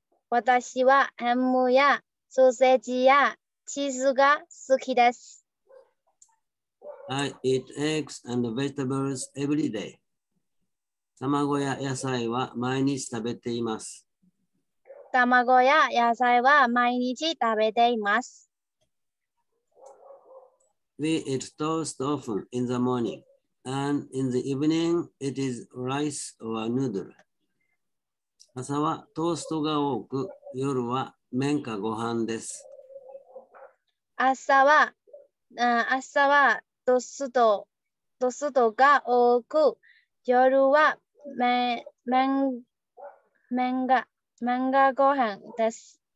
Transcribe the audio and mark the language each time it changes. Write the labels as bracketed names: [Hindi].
[Japanese] 私はハムやソーセージやチーズが好きです。 [English] I eat eggs and vegetables every day. [Japanese] 卵や野菜は毎日食べています。卵や野菜は毎日食べています。 [English] We eat toast often in the morning, and in the evening it is rice or noodle. [Japanese] 朝はトーストが多く、夜は麺かご飯です。朝はトーストが多く、夜は麺かご飯です。